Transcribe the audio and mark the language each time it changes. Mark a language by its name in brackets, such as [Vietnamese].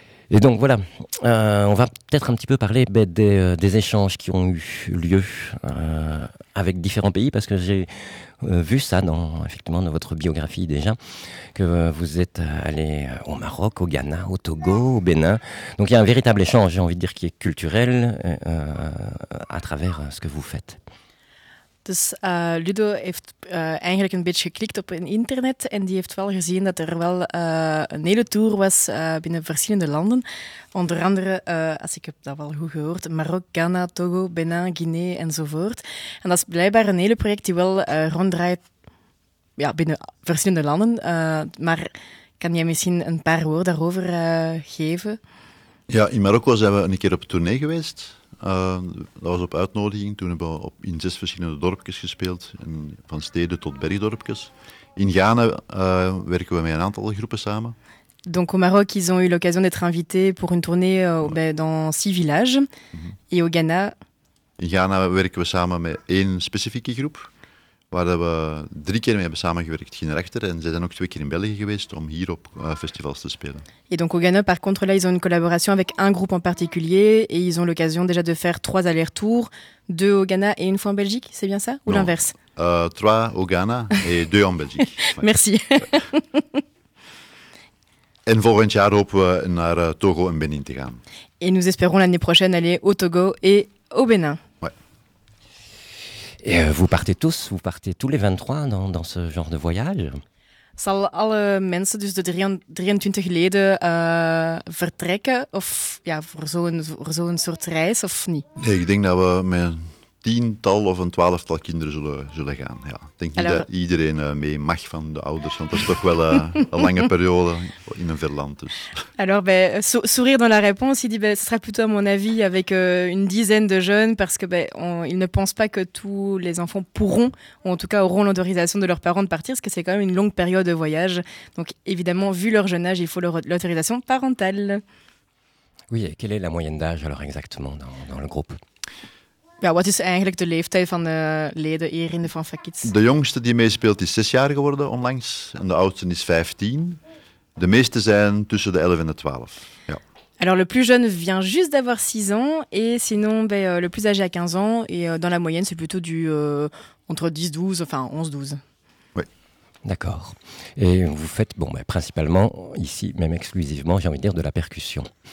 [French] Et donc, voilà, on va peut-être un petit peu parler des échanges qui ont eu lieu avec différents pays, parce que j'ai vu ça, effectivement, dans votre biographie déjà, que vous êtes allé au Maroc, au Ghana, au Togo, au Bénin. Donc, il y a un véritable échange, j'ai envie de dire, qui est culturel à travers ce que vous faites. [Dutch] Dus Ludo heeft eigenlijk een beetje geklikt op een internet en die heeft wel gezien dat er wel een hele tour was binnen verschillende landen. Onder andere, als ik heb dat wel goed gehoord, Marokko, Ghana, Togo, Benin, Guinea enzovoort. En dat is blijkbaar een hele project die wel ronddraait binnen verschillende landen. Maar kan jij misschien een paar woorden daarover geven? Ja, in Marokko zijn we een keer op tournee geweest. Dat was op uitnodiging. Toen hebben we in 6 verschillende dorpjes gespeeld, van steden tot bergdorpjes. In Ghana werken we met een aantal groepen samen. [French] Donc au Maroc, ils ont eu l'occasion d'être invités pour une tournée dans 6 villages. Mm-hmm. Et au Ghana? [Dutch] In Ghana werken we samen met 1 specifieke groep, waar we 3 keer mee hebben samengewerkt, ging erachter. En ze zijn ook 2 keer in België geweest om hier op festivals te spelen. [French] Et donc au Ghana, par contre, là, ils ont une collaboration avec un groupe en particulier et ils ont l'occasion déjà de faire 3 allers-retours, 2 au Ghana et une fois en Belgique, c'est bien ça? Ou non. L'inverse? 3 au Ghana et 2 en Belgique. Merci. [Dutch] En volgend jaar hopen we naar Togo en Benin te gaan. [French] Et nous espérons l'année prochaine aller au Togo et au Bénin. Et vous partez tous les 23 dans ce genre de voyage? [Dutch] Zal alle mensen, dus de 23 leden, vertrekken of, voor zo'n soort reis of niet? Nee, ik denk dat we met een tiental of een 12-tal kinderen zullen gaan. Ja. Ik denk niet dat iedereen mee mag van de ouders, want dat is toch wel een lange periode in een ver land. Dus. [French] Alors, sourire dans la réponse, il dit, ce sera plutôt à mon avis avec une dizaine de jeunes, parce qu'ils ne pensent pas que tous les enfants pourront, ou en tout cas auront l'autorisation de leurs parents de partir, parce que c'est quand même une longue période de voyage. Donc évidemment, vu leur jeune âge, il faut l'autorisation parentale. Oui, et quelle est la moyenne d'âge alors exactement dans le groupe? [Dutch] Ja, wat is eigenlijk de leeftijd van de leden hier in de Fanfare Kids? De jongste die meespeelt is 6 jaar geworden onlangs en de oudste is 15. De meeste zijn tussen de 11 en de 12. Ja. [French] Alors le plus jeune vient juste d'avoir 6 ans et sinon le plus âgé a 15 ans et dans la moyenne c'est plutôt du entre 10-12, enfin 11-12. Oui. D'accord. Et vous faites principalement ici, même exclusivement, j'ai envie de dire, de la percussion.